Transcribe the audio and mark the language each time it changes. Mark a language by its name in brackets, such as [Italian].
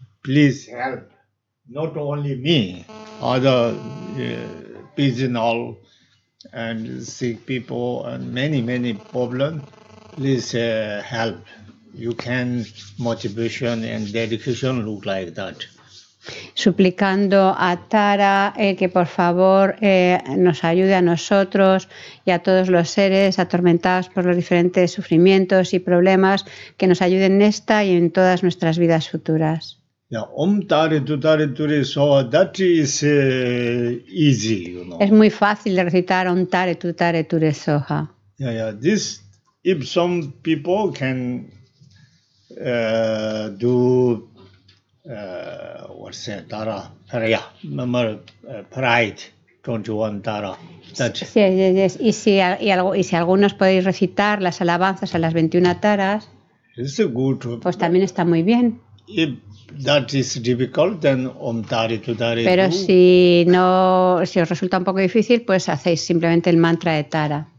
[English] Please help, not only me, other beings all. And sick people and many, many problems, please help. You can motivation and dedication look like that. [Spanish] Suplicando a Tara que por favor nos ayude a nosotros y a todos los seres atormentados por los diferentes sufrimientos y problemas, que nos ayude en esta y en todas nuestras vidas futuras. [English] Yeah, om tare tutare ture soha, that is easy, you know. [Spanish] Es muy fácil recitar om tare tutare ture soha. [English] Yeah, yeah. This, if some people can do, what's that, tara, yeah, remember, pride, 21 tara. [Spanish] Y si algunos podéis recitar las alabanzas a las 21 taras, [English] it's a good, [Spanish] pues también está muy bien. [English] If that is difficult, then om tare tutare. [Spanish] Pero si os resulta un poco difícil, pues hacéis simplemente el mantra de Tara.